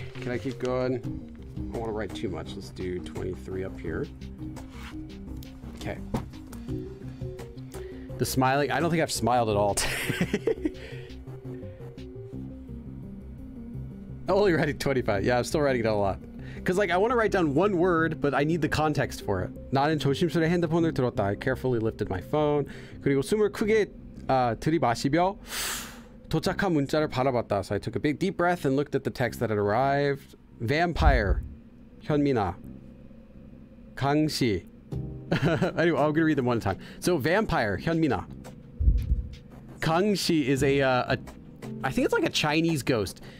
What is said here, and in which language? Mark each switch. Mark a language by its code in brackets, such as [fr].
[en] I keep going. I don't want to write too much. Let's do 23 up here. Okay. The smiling. I don't think I've smiled at all today. I only writing 25. Yeah, I'm still writing it a lot. Because, like, I want to write down one word, but I need the context for it. [ko] 나는 조심스레 핸드폰을 들었다. [en] I carefully lifted my phone. [ko] 그리고 숨을 크게 들이마시며 도착한 문자를 바라봤다. [en] So I took a big deep breath and looked at the text that had arrived. Vampire, 현미나, 강시. Anyway, I'm gonna read them one time. So vampire, 현미나, 강시 is a I think it's like a Chinese ghost.